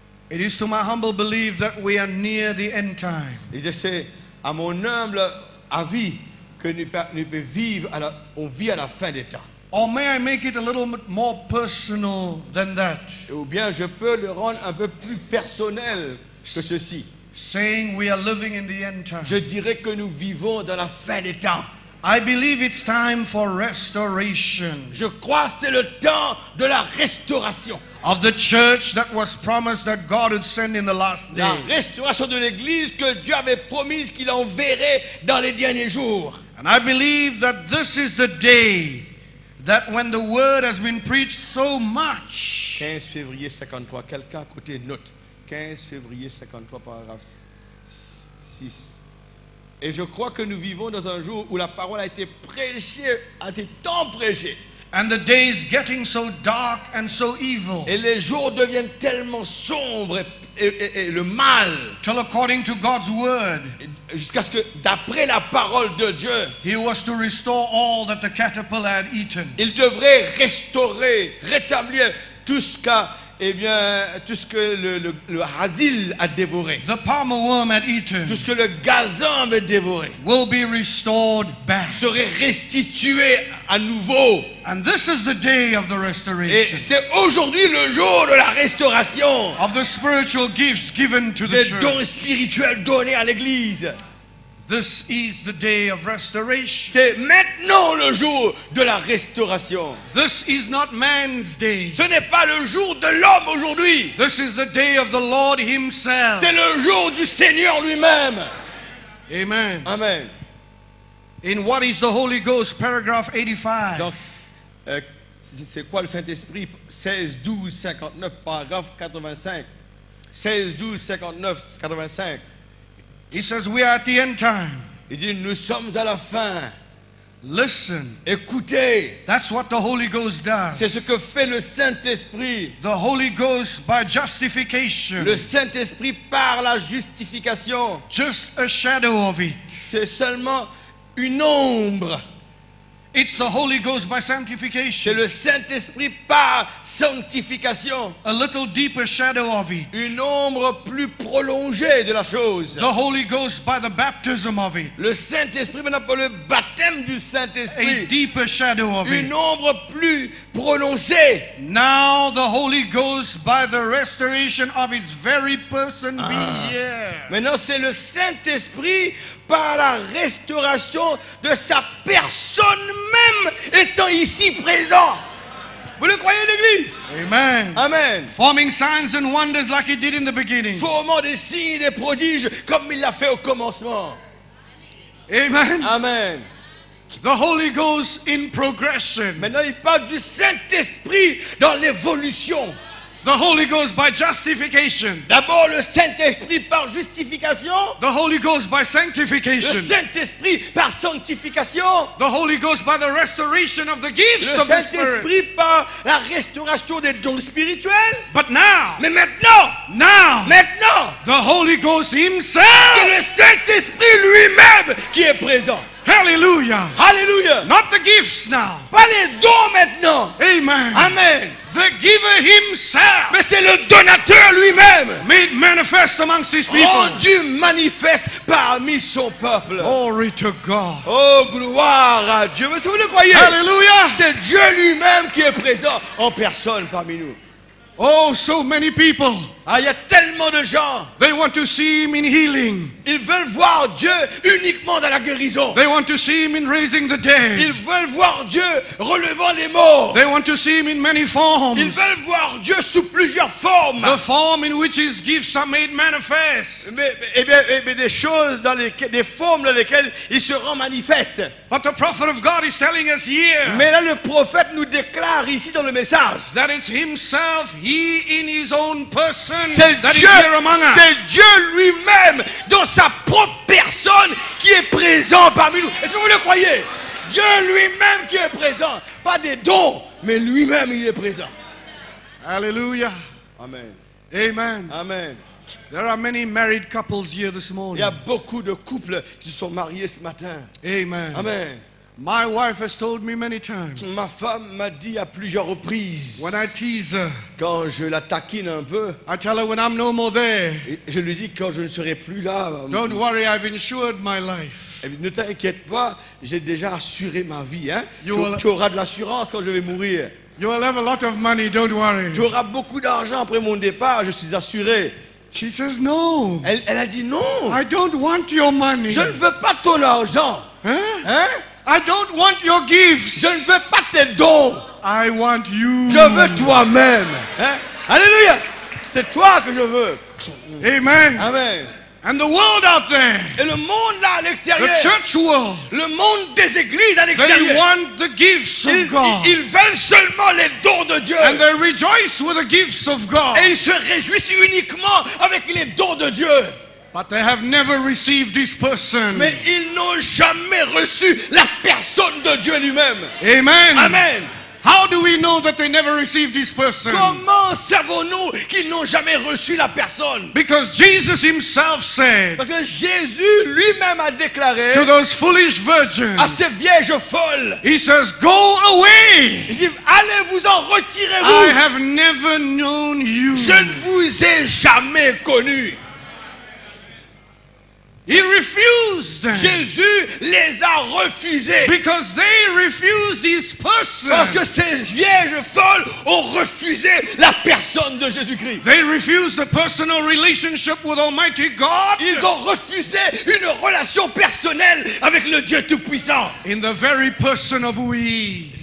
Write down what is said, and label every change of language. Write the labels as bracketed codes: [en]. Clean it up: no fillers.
[en] It is to my humble belief that we are near the end time. [fr] Et je sais, à mon humble avis, que nous vivons, on vit à la fin des temps. [en] Or may I make it a little more personal than that? [fr] Ou bien je peux le rendre un peu plus personnel que ceci. [en] Saying we are living in the end time. [fr] Je dirais que nous vivons dans la fin des temps. [en] I believe it's time for restoration. [fr] Je crois que c'est le temps de la restauration. [en] Of the church that was promised that God would send in the last days. [fr] La restauration de l'église que Dieu avait promise qu'il enverrait dans les derniers jours. [en] And I believe that this is the day that when the word has been preached so much. [fr] 15 février 53, quelqu'un à côté note. 15 février 53, paragraphe 6. Et je crois que nous vivons dans un jour où la parole a été prêchée, a été tant prêchée. [en] And the day is getting so dark and so evil. [fr] Et les jours deviennent tellement sombres et le mal. [en] Till according to God's word. [fr] Jusqu'à ce que, d'après la parole de Dieu, [en] he was to restore all that the caterpillar had eaten. [fr] Il devrait restaurer, rétablir tout ce qu'a, eh bien, tout ce que le hasil a dévoré. [en] The palm worm had eaten. [fr] Tout ce que le gazon avait dévoré. [en] Will be restored back. [fr] Serait restitué à nouveau. [en] And this is the day of the restoration. [fr] Et c'est aujourd'hui le jour de la restauration. [en] Of the spiritual gifts given to the church. [fr] Des dons spirituels donnés à l'église. [en] This is the day of restoration. [fr] C'est maintenant le jour de la restauration. [en] This is not man's day. [fr] Ce n'est pas le jour de l'homme aujourd'hui. [en] This is the day of the Lord himself. [fr] C'est le jour du Seigneur lui-même. [en] Amen. [fr] Amen. [en] In what is the Holy Ghost, paragraph 85. [fr] Donc, c'est quoi le Saint-Esprit? 16, 12, 59, paragraphe 85. [en] 16, 12, 59, 85. He says, "We are at the end time." [fr] Il dit, nous sommes à la fin. [en] Listen. [fr] Écoutez. [en] That's what the Holy Ghost does. [fr] C'est ce que fait le Saint-Esprit. [en] The Holy Ghost by justification. [fr] Le Saint-Esprit par la justification. [en] Just a shadow of it. [fr] C'est seulement une ombre. [en] It's the Holy Ghost by sanctification. [fr] C'est le Saint-Esprit par sanctification. [en] A little deeper shadow of it. [fr] Une ombre plus prolongée de la chose. [en] The Holy Ghost by the baptism of it. [fr] Le Saint-Esprit maintenant par le baptême du Saint-Esprit. [en] A deeper shadow of it. [fr] Une ombre plus prononcée. [en] Now the Holy Ghost by the restoration of its very person being here. [fr] Maintenant c'est le Saint-Esprit par la restauration de sa personne même étant ici présent. Vous le croyez, l'Église? Amen. Amen. [en] Forming signs and wonders like he did in the beginning. [fr] Formant des signes et des prodiges comme il l'a fait au commencement. [en] Amen. [fr] Amen. [en] The Holy Ghost in progression. [fr] Maintenant, il parle du Saint-Esprit dans l'évolution. [en] The Holy Ghost by justification. [fr] D'abord le Saint-Esprit par justification. [en] The Holy Ghost by sanctification. [fr] Le Saint-Esprit par sanctification. [en] The Holy Ghost by the restoration of the gifts of the Spirit. [fr] Le Saint-Esprit par la restauration des dons spirituels. [en] But now. [fr] Mais maintenant. [en] Now. [fr] Maintenant. [en] The Holy Ghost himself. [fr] C'est le Saint-Esprit lui-même qui est présent. [en] Hallelujah. [fr] Hallelujah. [en] Not the gifts now. [fr] Pas les dons maintenant. [en] Amen. [fr] Amen. [en] The giver himself. [fr] Mais c'est le donateur lui-même. [en] Made manifest amongst his people. [fr] Rendu manifeste parmi son peuple. [en] Glory to God. [fr] Oh, gloire à Dieu. Mais vous le croyez? [en] Hallelujah. [fr] C'est Dieu lui-même qui est présent en personne parmi nous. [en] Oh, so many people. [fr] Ah, il y a tellement de gens. [en] They want to see him in healing. [fr] Ils veulent voir Dieu uniquement dans la guérison. [en] They want to see him in raising the dead. [fr] Ils veulent voir Dieu relevant les morts. [en] They want to see him in many forms. [fr] Ils veulent voir Dieu sous plusieurs formes. [en] The form in which his gifts are made manifest. [fr] Mais des choses dans lesquelles, des formes dans lesquelles il se rend manifeste. [en] But the prophet of God is telling us here. [fr] Mais là, le prophète nous déclare ici dans le message. [en] That it's himself, he in his own person. [fr] C'est Dieu, lui-même dans sa propre personne qui est présent parmi nous. Est-ce que vous le croyez? Dieu lui-même qui est présent. Pas des dons, mais lui-même il est présent. Alléluia. Amen. Amen. Amen. [en] There are many married couples here this morning. [fr] Il y a beaucoup de couples qui se sont mariés ce matin. [en] Amen. [fr] Amen. [en] My wife has told me many times. [fr] Ma femme m'a dit à plusieurs reprises. [en] When I tease her, [fr] quand je la taquine un peu. [en] I tell her when I'm no more there. [fr] Je lui dis quand je ne serai plus là. [en] Don't worry, I've insured my life. [fr] Ne t'inquiète pas, j'ai déjà assuré ma vie, hein. Tu auras de l'assurance quand je vais mourir. [en] You will have a lot of money. Don't worry. [fr] Tu auras beaucoup d'argent après mon départ. Je suis assuré. [en] She says no. [fr] Elle a dit non. [en] I don't want your money. [fr] Je ne veux pas ton argent. Hein? Hein? [en] I don't want your gifts. [fr] Je ne veux pas tes dons. [en] I want you. [fr] Je veux toi-même. Hein? Alléluia. C'est toi que je veux. [en] Amen. [fr] Amen. [en] And the world out there. [fr] Et le monde là à l'extérieur. [en] The church world. [fr] Le monde des églises à l'extérieur. [en] They want the gifts of God. [fr] Ils veulent seulement les dons de Dieu. [en] And they rejoice with the gifts of God. [fr] Et ils se réjouissent uniquement avec les dons de Dieu. [en] But they have never received this person. [fr] Mais ils n'ont jamais reçu la personne de Dieu lui-même. [en] Amen. [fr] Amen. [en] How do we know that they never received this person? [fr] Comment savons-nous qu'ils n'ont jamais reçu la personne? [en] Because Jesus himself said. [fr] Parce que Jésus lui-même a déclaré. [en] To those foolish virgins. [fr] À ces vierges folles. [en] He says, "Go away." [fr] Il dit, allez vous en retirez-vous. [en] I have never known you. [fr] Je ne vous ai jamais connu. [en] He refused. [fr] Jésus les a refusés. [en] Because they refused this person. [fr] Parce que ces vierges folles ont refusé la personne de Jésus-Christ. [en] They refused the personal relationship with Almighty God. [fr] Ils ont refusé une relation personnelle avec le Dieu Tout-Puissant. [en] In the very person of who he is.